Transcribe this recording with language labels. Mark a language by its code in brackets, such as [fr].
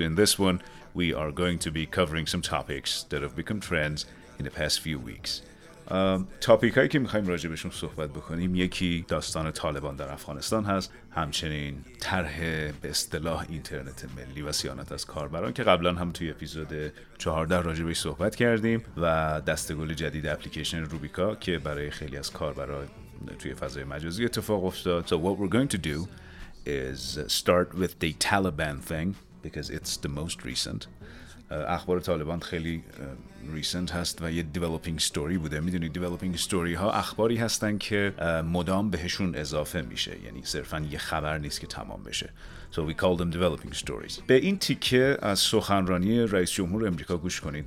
[en] In this one, we are going to be covering some topics that have become trends in the past few weeks. [fa] تاپیک هایی که میخواییم راجع بهشون صحبت بکنیم، یکی داستان طالبان در افغانستان هست، همچنین طرح به اصطلاح اینترنت ملی و سیانت از کاربران که قبلا هم توی اپیزود 14 راجع بهش صحبت کردیم، و دستگل جدید اپلیکیشن روبیکا که برای خیلی از کاربران توی فضای مجازی اتفاق افتاد. [en] So what we're going to do is start with the Taliban thing because it's the most recent. [fa] اخبار طالبان خیلی ریسنت هست و یه [en] developing story [fa] بوده. میدونید [en] developing story [fa] ها اخباری هستن که مدام بهشون اضافه میشه، یعنی صرفا یه خبر نیست که تمام بشه. [en] So we call them developing stories. [fa] به این تیکه از سخنرانی رئیس جمهور امریکا گوش کنید.